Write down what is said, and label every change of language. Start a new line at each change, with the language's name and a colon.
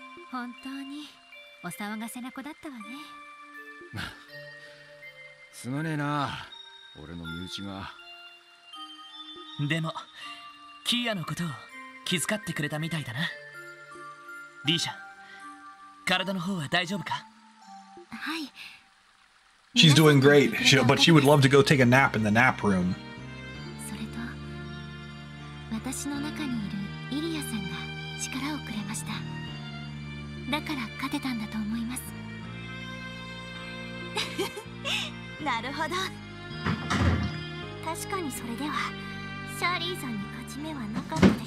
Japanese: 本当にお騒がせな子だったわね。すまねえな、俺の身内が。でも、キーヤのことを気遣ってくれたみたいだな。リーシャ、体の方は大丈夫か？はい。
English: She's doing great, but she would love to go take a nap in the nap room.
Japanese: それと、私の中にいるイリアさんが力をくれました。だから勝てたんだと思います。なるほど。確かにそれでは、シャーリーさんに勝ち目はなかったで